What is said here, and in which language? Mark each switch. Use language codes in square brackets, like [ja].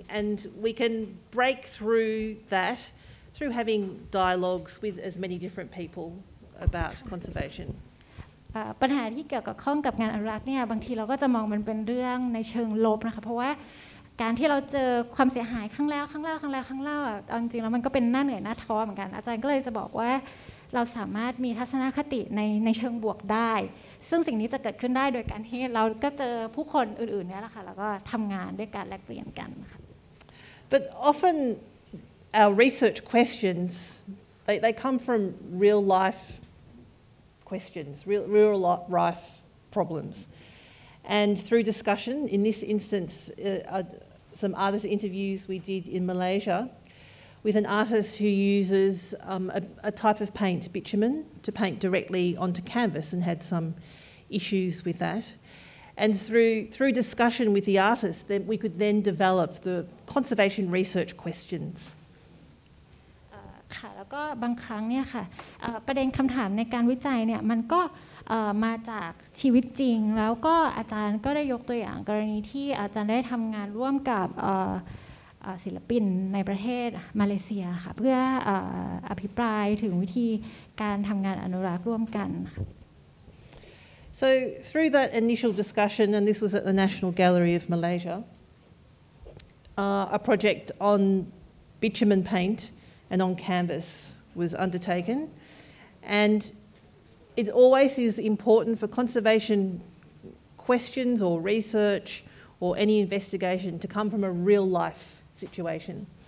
[en] And we can break through that through having dialogues with as many different people about conservation. [th] ปัญหาที่เกี่ยวกับข้องกับงานอนุรักษ์เนี่ยบางทีเราก็จะมองมันเป็นเรื่องในเชิงลบนะคะเพราะว่าการที่เราเจอความเสียหายครั้งแล้วครั้งเล่าครั้งแล้วครั้งเล่าอ่ะจริงๆแล้วมันก็เป็นหน้าเหนื่อยหน้าท้อเหมือนกันอาจารย์ก็เลยจะบอกว่าเราสามารถมีทัศนคติในเชิงบวกได้ซึ่งสิ่งนี้จะเกิดขึ้นได้โดยการที่เราก็เจอผู้คนอื่นๆเนี่ยแหละค่ะแล้วก็ทำงานด้วยการแลกเปลี่ยนกันค่ะ [en] But often our research questions they come from real lifeQuestions, real life problems, and through discussion, in this instance, some artist interviews we did in Malaysia, with an artist who uses a type of paint, bitumen, to paint directly onto canvas, and had some issues with that. And through discussion with the artist, then we could then develop the conservation research questions. [th] ค่ะแล้วก็บางครั้งเนี่ยค่ะประเด็นคำถามในการวิจัยเนี่ยมันก็มาจากชีวิตจริงแล้วก็อาจารย์ก็ได้ยกตัวอย่างกรณีที่อาจารย์ได้ทำงานร่วมกับศิลปินในประเทศมาเลเซียค่ะเพื่ออภิปรายถึงวิธีการทำงานอนุรักษ์ร่วมกัน [en] So through that initial discussion and this was at the National Gallery of Malaysia a project on bitumen paintand on canvas was undertaken. And it always is important for conservation questions or research or any investigation to come from a real life situation.